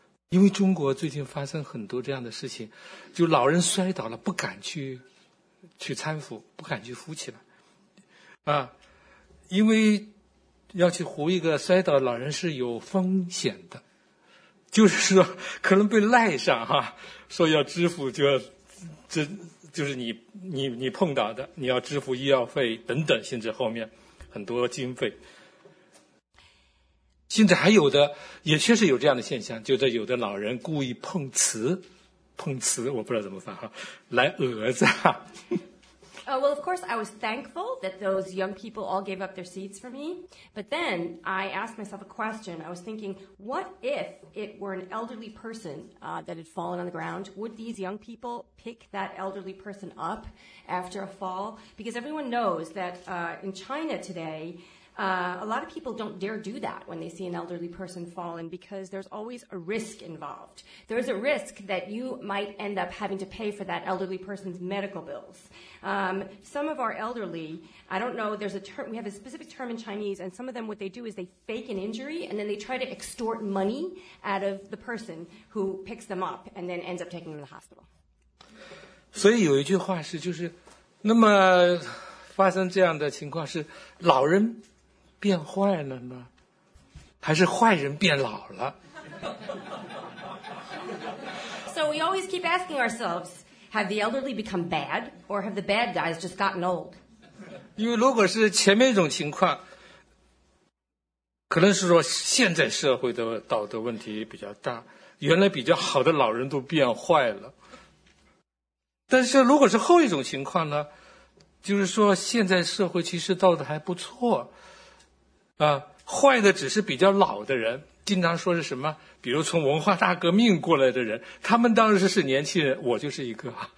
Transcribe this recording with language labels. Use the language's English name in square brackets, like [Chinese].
[Chinese] 因为中国最近发生很多这样的事情，就老人摔倒了不敢去搀扶，不敢去扶起来啊，因为要去扶一个摔倒的老人是有风险的，就是说可能被赖上哈，说要支付就是你碰倒的，你要支付医药费等等，甚至后面很多经费。现在还有的也确实有这样的现象，就在有的老人故意碰瓷，我不知道怎么翻哈，来讹诈。 [English] Well, of course, I was thankful that those young people all gave up their seats for me. But then I asked myself a question. I was thinking, what if it were an elderly person that had fallen on the ground? Would these young people pick that elderly person up after a fall? Because everyone knows that in China today, a lot of people don't dare do that when they see an elderly person fallen, because there's always a risk involved. There's a risk that you might end up having to pay for that elderly person's medical bills. Some of our elderly, I don't know, we have a specific term in Chinese, and some of them, what they do is they fake an injury, and then they try to extort money out of the person who picks them up and then ends up taking them to the hospital. [Chinese] 所以有一句话是，就是，那么发生这样的情况是老人变坏了呢，还是坏人变老了？ [English] So we always keep asking ourselves, have the elderly become bad, or have the bad guys just gotten old? [Chinese] 因为如果是前面一种情况，可能是说现在社会的道德问题比较大，原来比较好的老人都变坏了。但是如果是后一种情况呢，就是说现在社会其实道德还不错啊，坏的只是比较老的人，经常说是什么，比如从文化大革命过来的人，他们当时是年轻人，我就是一个，